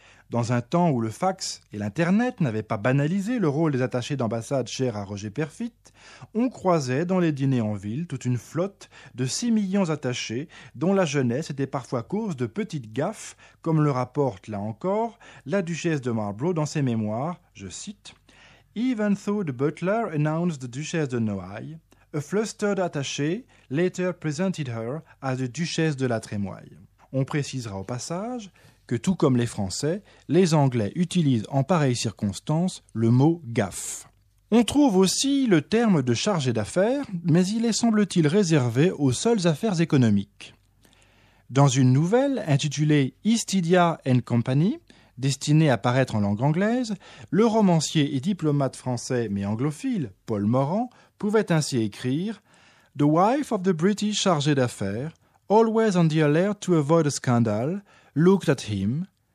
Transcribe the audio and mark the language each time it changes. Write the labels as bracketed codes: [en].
[fr] Dans un temps où le fax et l'Internet n'avaient pas banalisé le rôle des attachés d'ambassade chers à Roger Perfit, on croisait dans les dîners en ville toute une flotte de 6 millions attachés dont la jeunesse était parfois cause de petites gaffes, comme le rapporte, là encore, la duchesse de Marlborough dans ses mémoires, je cite, « [en] Even though the butler announced the Duchesse de Noailles, a flustered attaché later presented her as the Duchesse de la Trémoille. [fr] On précisera au passage que tout comme les Français, les Anglais utilisent en pareille circonstance le mot « gaffe ». On trouve aussi le terme de chargé d'affaires, mais il est semble-t-il réservé aux seules affaires économiques. Dans une nouvelle intitulée « Istidia and Company », destinée à paraître en langue anglaise, le romancier et diplomate français mais anglophile, Paul Morand, pouvait ainsi écrire « [en] The wife of the British chargé d'affaires, always on the alert to avoid a scandal, looked at him.